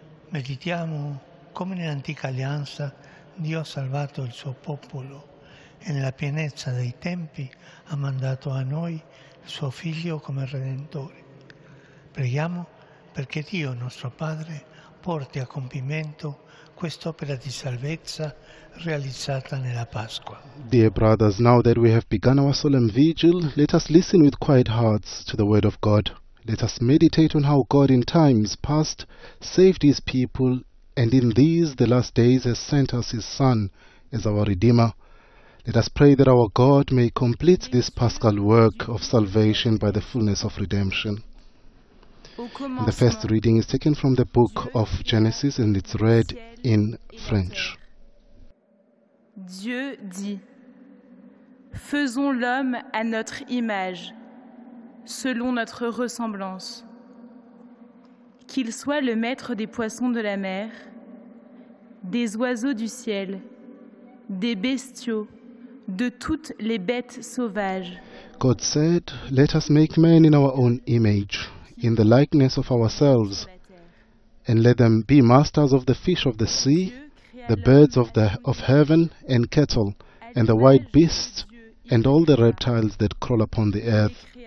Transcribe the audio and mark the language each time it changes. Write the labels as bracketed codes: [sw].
[it] Meditiamo come nell'antica alleanza Dio ha salvato il suo popolo e nella pienezza dei tempi ha mandato a noi il suo Figlio come Redentore. Preghiamo perché Dio, nostro Padre, porti a compimento quest'opera di salvezza realizzata nella Pasqua. [en] Dear brothers, now that we have begun our solemn vigil, let us listen with quiet hearts to the word of God. Let us meditate on how God in times past saved his people, and in these, the last days, has sent us his Son as our Redeemer. Let us pray that our God may complete this paschal work of salvation by the fullness of redemption. And the first reading is taken from the book of Genesis, and it's read in French. [fr] Dieu dit, faisons l'homme à notre image, selon notre ressemblance. Qu'il soit le maître des poissons de la mer, des oiseaux du ciel, des bestiaux, de toutes les bêtes sauvages. [en] God said, let us make man in our own image, in the likeness of ourselves, and let them be masters of the fish of the sea, the birds of heaven, and cattle, and the wild beasts, and all the reptiles that crawl upon the earth.